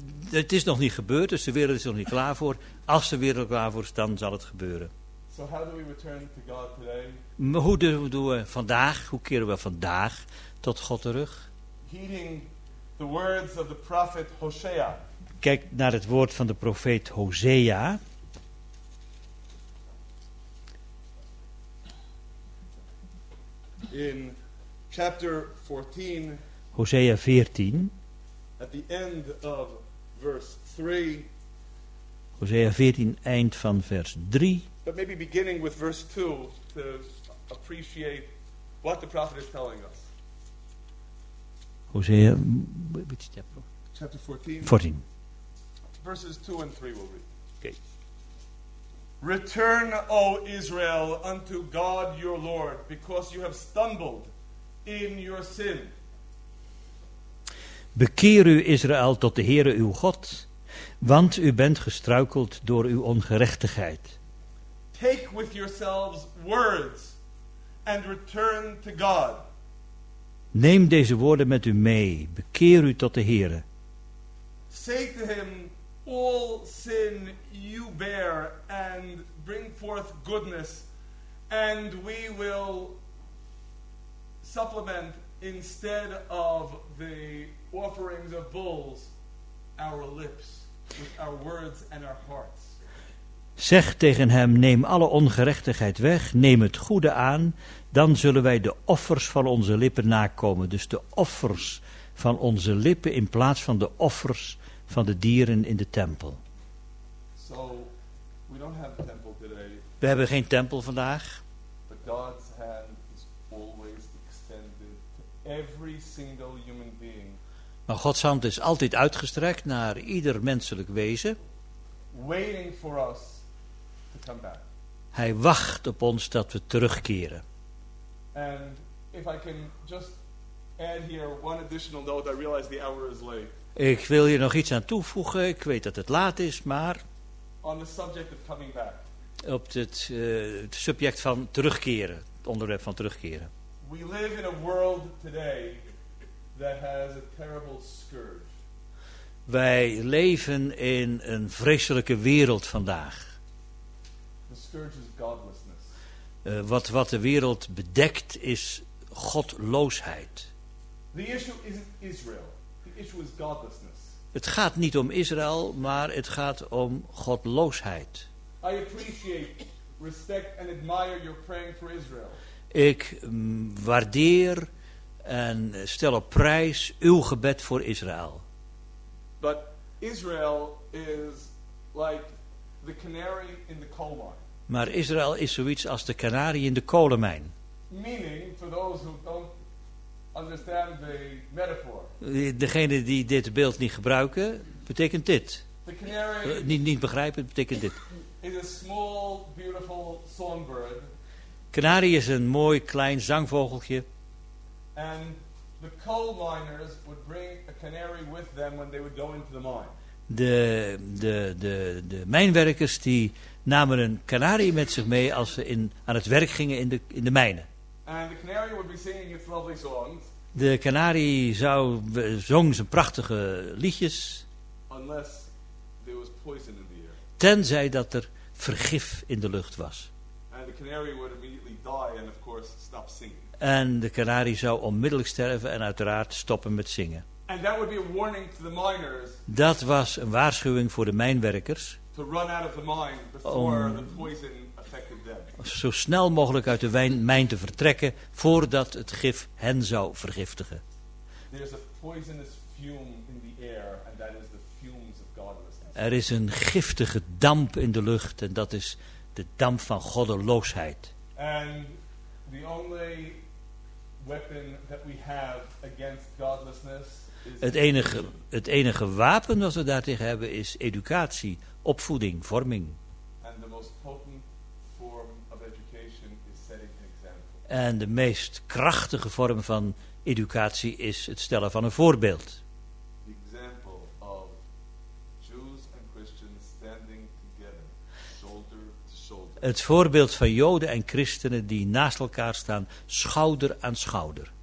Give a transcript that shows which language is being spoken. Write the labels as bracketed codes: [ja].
[nl] Het is nog niet gebeurd, dus de wereld is nog niet klaar voor. Als de wereld klaar voor is, dan zal het gebeuren. [en] So how do we return to God today? [nl] Hoe doen we vandaag? Hoe keren we vandaag tot God terug? [en] Heeding the words of the prophet Hosea. [nl] Kijk naar het woord van de profeet Hosea. [en] In chapter 14. [nl] Hosea 14. [en] At the end of verse 3. [nl] Hosea 14, eind van vers 3. [en] But maybe beginning with verse 2 to appreciate what the prophet is telling us. Hosea, which chapter? Chapter 14. [nl] 14. [en] Verses 2 and 3 we'll read. Okay. Return, O Israel, unto God your Lord, because you have stumbled in your sin. [nl] Bekeer u, Israël, tot de Heere uw God, want u bent gestruikeld door uw ongerechtigheid. [en] Take with yourselves words and return to God. [nl] Neem deze woorden met u mee. Bekeer u tot de Heere. [en] Say to him, all sin you bear, and bring forth goodness, and we will supplement instead of the offerings of bulls our lips with our words and our hearts. [nl] Zeg tegen hem, neem alle ongerechtigheid weg, neem het goede aan, dan zullen wij de offers van onze lippen nakomen. Dus de offers van onze lippen in plaats van de offers van de dieren in de tempel. [en] So we don't have a temple today. [nl] We hebben geen tempel vandaag. [en] But God's hand is always extended to every single human being. [nl] Maar Gods hand is altijd uitgestrekt naar ieder menselijk wezen. [en] Waiting for us to come back. [nl] Hij wacht op ons dat we terugkeren. [en] And if I can just add here one additional note, I realize the hour is late. [nl] Ik wil hier nog iets aan toevoegen. Ik weet dat het laat is, maar [en] on the subject of coming back. [nl] Op het subject van terugkeren, het onderwerp van terugkeren. [en] We live in a world today that has a terrible scourge. [nl] Wij leven in een vreselijke wereld vandaag. [en] The scourge is godlessness. [nl] Wat de wereld bedekt is godloosheid. [en] The issue isn't Israel. The issue is godlessness. [nl] Het gaat niet om Israël, maar het gaat om godloosheid. [en] I appreciate, respect and admire your praying for Israel. [nl] Ik waardeer en stel op prijs uw gebed voor Israël. [en] But Israel is like the canary in the coal mine. [nl] Maar Israël is zoiets als de kanarie in de kolenmijn. [en] Meaning, for those who don't understand the metaphor. [nl] Degene die dit beeld niet gebruiken, betekent dit. [en] The canary [nl] niet begrijpen, betekent dit. [en] Is a small, beautiful songbird. [nl] Kanarie is een mooi klein zangvogeltje. [en] And the coal miners would bring a canary with them when they would go into the mine. [nl] De mijnwerkers die namen een kanarie met zich mee als ze aan het werk gingen in de mijnen. [en] And the canary would be singing its lovely songs. [nl] De kanarie zong zijn prachtige liedjes. [en] Unless there was poison in the air. [nl] Tenzij dat er vergif in de lucht was. [en] And the canary would immediately die and of course stop singing. [nl] En de kanarie zou onmiddellijk sterven en uiteraard stoppen met zingen. [en] And that would be a warning to the miners. [nl] Dat was een waarschuwing voor de mijnwerkers. [en] To run out of the mine before the poison affected them. [nl] Zo snel mogelijk uit de mijn te vertrekken voordat het gif hen zou vergiftigen. [en] There's a poisonous fume in the air and that is the fumes of godlessness. [nl] Er is een giftige damp in de lucht en dat is de damp van goddeloosheid. [en] And the only weapon that we have against godlessness is [nl] het enige wapen dat we daartegen hebben is educatie, opvoeding, vorming. [en] And the most potent form of education is setting an example. [nl] En de meest krachtige vorm van educatie is het stellen van een voorbeeld. [en] The example of Jews and Christians standing together, shoulder. [nl] Het voorbeeld van Joden en Christenen die naast elkaar staan, schouder aan schouder.